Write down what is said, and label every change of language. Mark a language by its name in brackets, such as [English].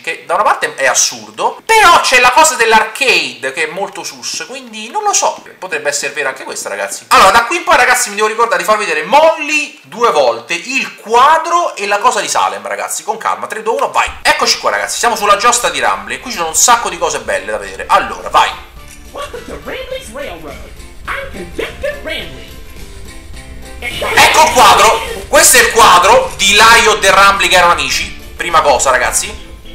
[Italian] Che da una parte è assurdo, però c'è la cosa dell'arcade che è molto Sus, quindi non lo so, potrebbe essere vera anche questa, ragazzi. Allora, da qui in poi, ragazzi, mi devo ricordare di far vedere Molly due volte, il quadro e la cosa di Salem, ragazzi, con calma. 3, 2, 1, vai! Eccoci qua, ragazzi, siamo sulla giostra di Rumble, qui ci sono un sacco di cose belle da vedere. Allora, vai! [English] Welcome to Rambley's Railroad, I'm Conductor Rambley. [Italian] Ecco il quadro, questo è il quadro di Lyot e Rumble che erano amici, prima cosa, ragazzi.